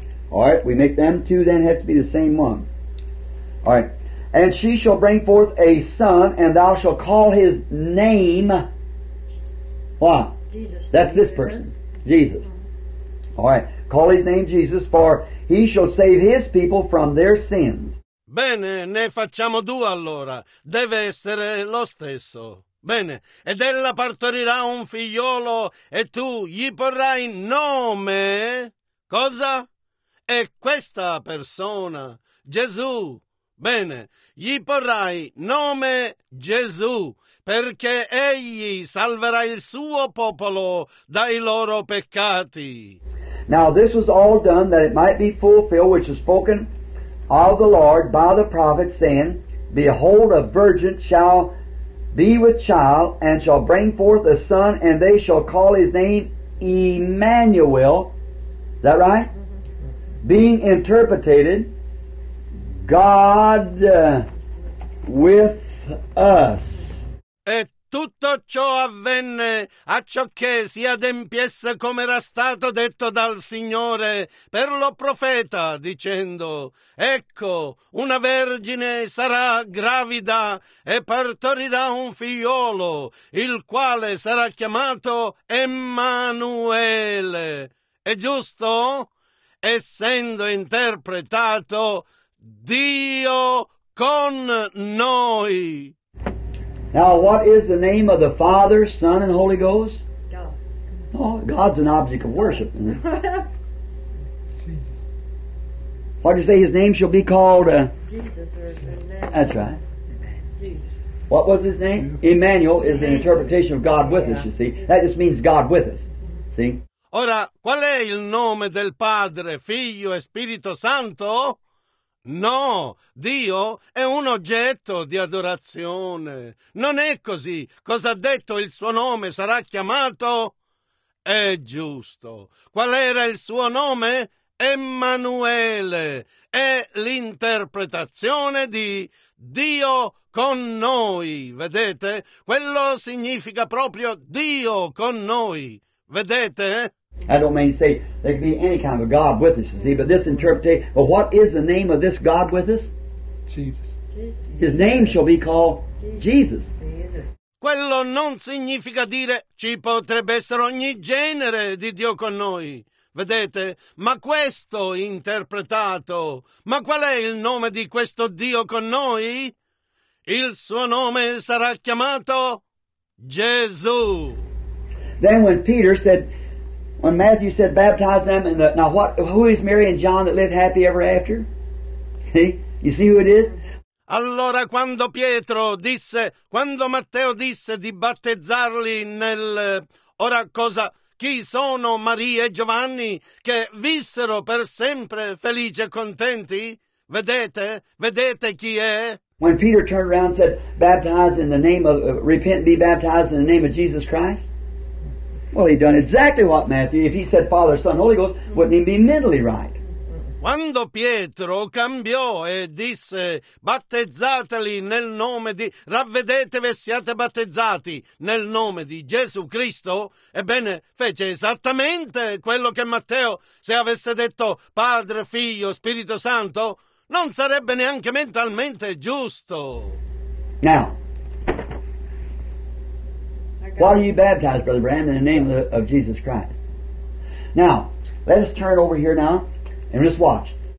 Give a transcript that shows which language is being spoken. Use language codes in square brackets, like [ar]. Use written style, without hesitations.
[en] All right, we make them two then has to be the same one. All right, and she shall bring forth a son, and thou shall call his name what? Jesus. That's this person. Jesus. All right. Call his name Jesus, for he shall save his people from their sins. [it] Bene, ne facciamo due allora. Deve essere lo stesso. Bene. Ed ella partorirà un figliolo e tu gli porrai nome. Cosa? E questa persona, Gesù. Bene. Gli porrai nome Gesù. Perché egli salverà il suo popolo dai loro peccati. [en] Now this was all done that it might be fulfilled which was spoken of the Lord by the prophet, saying, Behold, a virgin shall be with child, and shall bring forth a son, and they shall call his name Emmanuel. Is that right? Being interpreted, God with us. [it] E tutto ciò avvenne a ciò che si adempiesse come era stato detto dal Signore per lo profeta, dicendo: ecco, una vergine sarà gravida e partorirà un figliolo, il quale sarà chiamato Emmanuele. È giusto? Essendo interpretato Dio con noi. [en] Now, what is the name of the Father, Son, and Holy Ghost? God. Oh, God's an object of worship. Isn't it? Jesus. What did you say his name shall be called? Jesus. That's right. Jesus. What was his name? Emmanuel is an interpretation of God with us, you see. That just means God with us. See? [it] Ora, qual è il nome del Padre, Figlio e Spirito Santo? No, Dio è un oggetto di adorazione. Non è così. Cosa ha detto il suo nome sarà chiamato? È giusto. Qual era il suo nome? Emmanuele. È l'interpretazione di Dio con noi. Vedete? Quello significa proprio Dio con noi. Vedete? [en] I don't mean to say there can be any kind of a God with us, you see, but this interpretation, but what is the name of this God with us? Jesus. His name shall be called Jesus. [it] Quello non significa dire ci potrebbe essere ogni genere di Dio con noi, vedete? Ma questo interpretato, ma qual è il nome di questo Dio con noi? Il suo nome sarà chiamato Gesù. [en] Then when Peter said, when Matthew said, baptize them in the... Now, what? Who is Mary and John that lived happy ever after? See? You see who it is? [it] Allora, quando Pietro disse, quando Matteo disse di battezzarli nel... Ora, cosa? Chi sono Maria e Giovanni che vissero per sempre felici e contenti? Vedete? Vedete chi è? [en] When Peter turned around and said, baptize in the name of... repent and be baptized in the name of Jesus Christ? Well, he'd done exactly what Matthew, if he said Father, Son, Holy Ghost, wouldn't he be mentally right? [it] Quando Pietro cambiò e disse, battezzateli nel nome di, ravvedetevi e siate battezzati nel nome di Gesù Cristo, ebbene, fece esattamente quello che Matteo, se avesse detto Padre, Figlio, Spirito Santo, non sarebbe neanche mentalmente giusto. [en] Now, what are you baptized, Brother Branham, in the name of Jesus Christ? Now, let us turn over here now and just watch.